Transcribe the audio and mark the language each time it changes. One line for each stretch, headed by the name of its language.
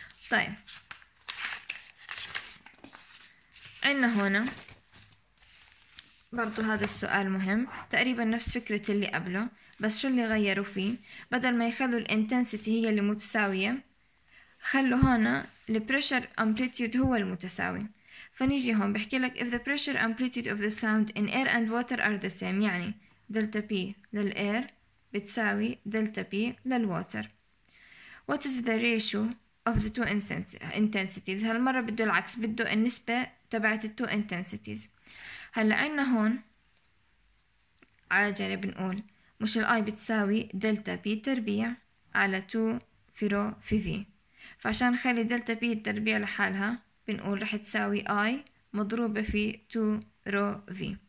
Arabic: طيب عنا هنا برضو هذا السؤال مهم تقريبا نفس فكرة اللي قبله بس شو اللي غيروا فيه؟ بدل ما يخلوا الانتنسيتي هي اللي متساوية خلوا هنا البريشر امبليتيود هو المتساوي. فنيجي هون بحكي لك
English: if the pressure amplitude of the sound in air and water are the same
Arabic: يعني دلتا بي للأير بتساوي دلتا بي للواتر.
English: What is the ratio of the two intensities؟
Arabic: هالمرة بده العكس بده النسبة تبعت التو
English: intensities.
Arabic: هلأ عنا هون على جانب نقول مش الآي بتساوي دلتا بي تربيع على 2 في رو في في. فعشان نخلي دلتا بي التربيع لحالها بنقول رح تساوي I مضروبة في 2 رو V.